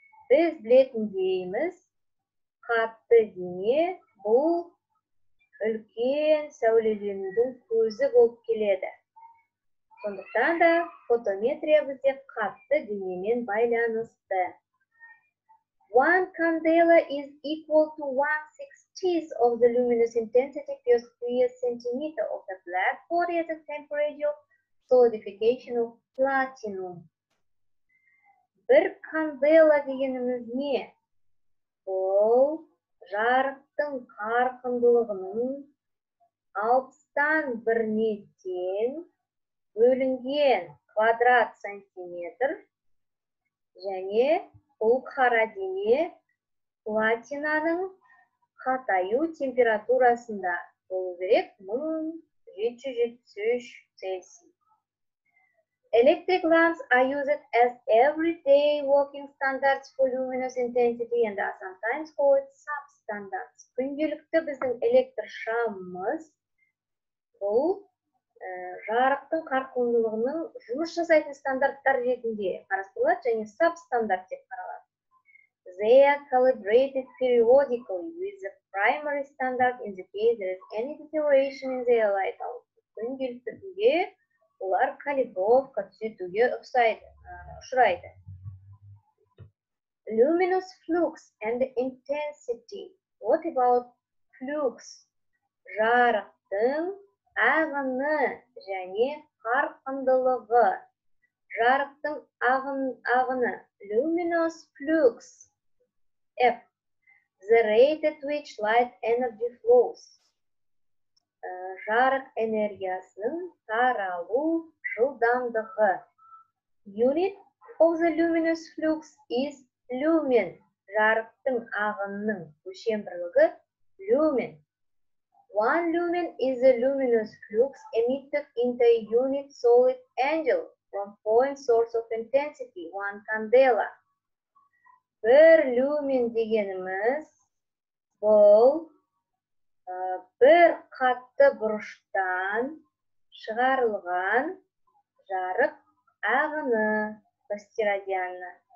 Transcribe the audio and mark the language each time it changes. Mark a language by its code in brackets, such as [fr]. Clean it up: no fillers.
[kk] Біз білетін дейміз, қатты дене бұл үлкен сәулелендің көзі болып келеді. Сондықтан да фотометрия бізде қатты денемен байланысты. [en] One candela is equal to 1/16 of the luminous intensity per square centimeter of the black body at the temperature of solidification of platinum. [kk] Бір кандела дегеніміз не? Ол жарықтың қарқындылығының 60-тан біріне тең бөлінген квадрат сантиметр және бұл қара дене платинаның қатаю температурасында болу керек 1773 Цельсий. [en] Electric lamps are used as everyday working standards for luminous intensity and are sometimes called substandards. [kk] Күнделікті біздің электр шамымыз бұл жарықтың қарқындылығының жұмыс жасайтын стандарттар ретінде қарастырылады және substandard деп қаралады. [en] They are calibrated periodically with the primary standard in the case there is any deterioration in their light output. [kk] Күнделікті бізге олар калибровка түзетуге ұшырайды. [en] Luminous flux and intensity. What about flux? [kk] Жарықтың ағыны және қарқындылығы. Жарықтың ағыны. [en] Luminous flux. [kk] F. [en] The rate at which light energy flows. [kk] Жарық энергиясының таралу жылдамдығы. [en] Unit of the luminous flux is lumen. [kk] Жарықтың ағынының өлшем бірлігі lumen. [en] One lumen is the luminous flux emitted into a unit solid angle from point source of intensity, one candela. [kk] Бір lumen дегеніміз бұл бір қатты бұрыштан шығарылған жарық ағыны постирадиально.